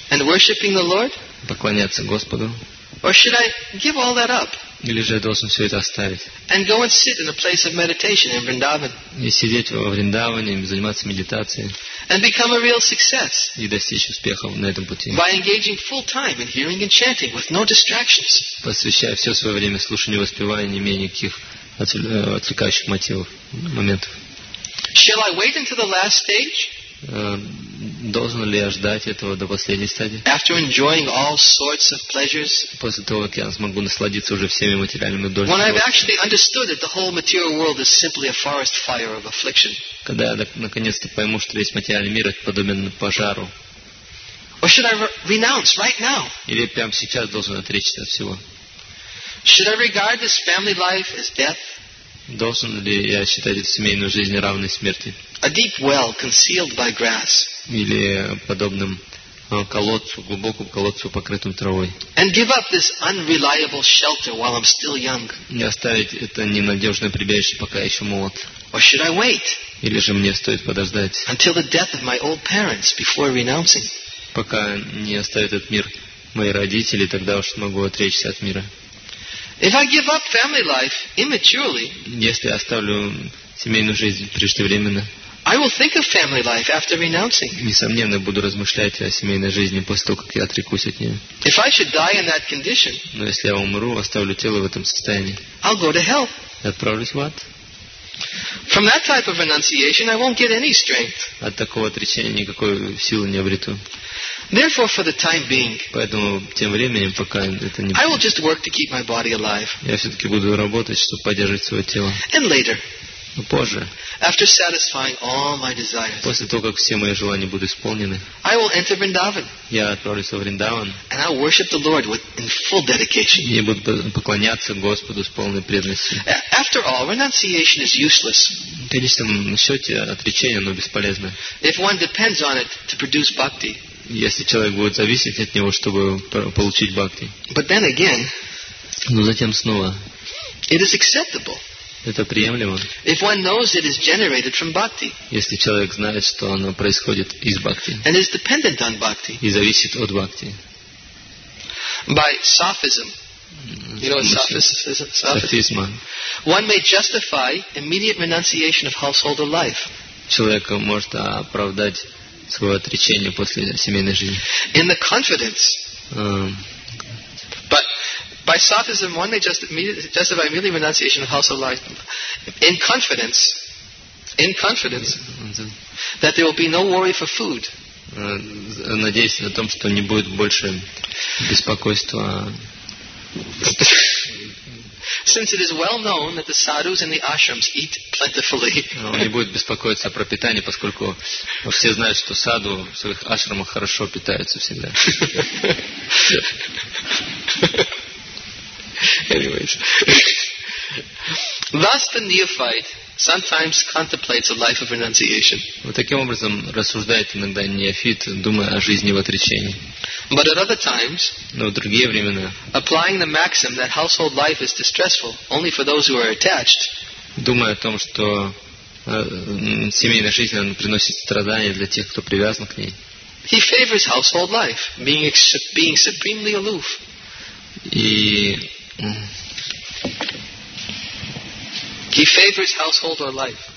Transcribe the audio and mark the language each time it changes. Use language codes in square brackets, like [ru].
[en] And worshiping the Lord? [ru] Поклоняться Господу? [en] Or should I give all that up? [ru] Или же я должен все это оставить? [en] And go and sit in a place of meditation in Vrindavan? [ru] И сидеть во Вриндаване, заниматься медитацией? [en] And become a real success? [ru] И достичь успеха на этом пути? [en] By engaging full time in hearing and chanting with no distractions? [ru] Посвящая все свое время слушанию и воспеванию, не имея никаких отвлекающих мотивов, моментов. [en] Shall I wait until the last stage? [ru] Должен ли я ждать этого до последней стадии? [en] After enjoying all sorts of pleasures, [ru] после того, как я смогу насладиться уже всеми материальными удовольствиями. [en] When I've actually understood that the whole material world is simply a forest fire of affliction. [ru] Когда я наконец-то пойму, что весь материальный мир подобен пожару. [en] Or should I renounce right now? [ru] Или прямо сейчас должен отречься от всего? [en] Should I regard this family life as death? [ru] Должен ли я считать эту семейную жизнь равной смерти? [en] A deep well concealed by grass. [ru] Или подобным колодцу, глубокому колодцу, покрытым травой. [en] And give up this unreliable shelter while I'm still young. [ru] Не оставить это ненадежное прибежище, пока я еще молод. [en] Or should I wait? [ru] Или же мне стоит подождать? [en] Until the death of my old parents before renouncing. [ru] Пока не оставит этот мир мои родители, тогда уж смогу отречься от мира. [en] If I give up family life immaturely, [ru] если я оставлю семейную жизнь преждевременно, [en] I will think of family life after renouncing. [ru] Несомненно, буду размышлять о семейной жизни после того, как я отрекусь от нее. [en] If I should die in that condition, [ru] но если я умру, оставлю тело в этом состоянии, [en] I'll go to hell. [ru] Отправлюсь в ад. [en] From that type of renunciation, I won't get any strength. [ru] От такого отречения никакой силы не обрету. [en] Therefore, for the time being, [ru] поэтому тем временем, пока это не, [en] I will just work to keep my body alive. [ru] Я все-таки буду работать, чтобы поддерживать свое тело. [en] And later, [ru] но позже, [en] after satisfying all my desires, [ru] после того, как все мои желания будут исполнены, [en] I will enter Vrindavan. [ru] Я отправлюсь во Вриндаван. [en] And I'll worship the Lord with in full dedication. [ru] Я буду поклоняться Господу с полной преданностью. [en] After all, renunciation is useless. [ru] В конечном счете, отречение, оно бесполезно. [en] If one depends on it to produce bhakti. [ru] Если человек будет зависеть от него, чтобы получить бхакти. [en] But then again, [ru] но затем снова, [en] it is acceptable. [ru] Это приемлемо. [en] If one knows it is generated from bhakti, [ru] если человек знает, что оно происходит из бхакти, [en] and is dependent on bhakti, [ru] и зависит от бхакти. [en] By sophism, you know, sophism. One may justify immediate renunciation of householder life. [ru] Человек может оправдать свое отречение после семейной жизни. [en] In the confidence. But by sophism, one may justify immediate renunciation of household life in confidence, that there will be no worry for food. [ru] Надеясь на том, что не будет больше беспокойства. [en] Since it is well known that the sadhus and the ashrams eat plentifully. [ru] Он не будет беспокоиться о пропитании, поскольку все знают, что саду в своих ашрамах хорошо питаются всегда. [en] Anyways, thus the neophyte sometimes contemplates a life of renunciation. [ru] Вот таким образом рассуждает иногда неофит, думая о жизни в отречении. [en] But at other times, [ru] но в другие времена, [en] applying the maxim that household life is distressful only for those who are attached, [ru] думая о том, что семейная жизнь приносит страдания для тех, кто привязан к ней, [en] he favors household life, being supremely aloof. [ru] И [en] he favors household or life.